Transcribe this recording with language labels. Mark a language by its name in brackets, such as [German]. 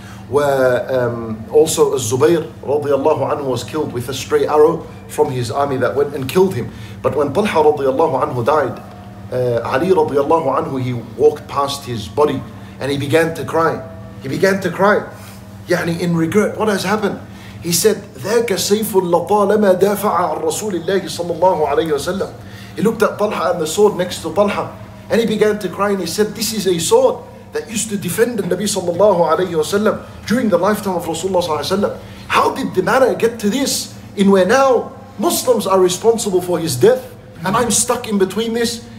[English] Also, Zubayr radiallahu anhu was killed with a stray arrow from his army that went and killed him. But when Talha radiallahu anhu died, Ali radiallahu anhu, he walked past his body and he began to cry. He began to cry, yani in regret. What has happened? He said, [Arabic] ذاك سيف لطالما دافع عن رسول الله صلى الله عليه وسلم. [English] He looked at Talha and the sword next to Talha, and he began to cry and he said, this is a sword that used to defend the Nabi sallallahu alayhi wa sallam during the lifetime of Rasulullah sallallahu alayhi wa sallam. How did the matter get to this in where now Muslims are responsible for his death and I'm stuck in between this?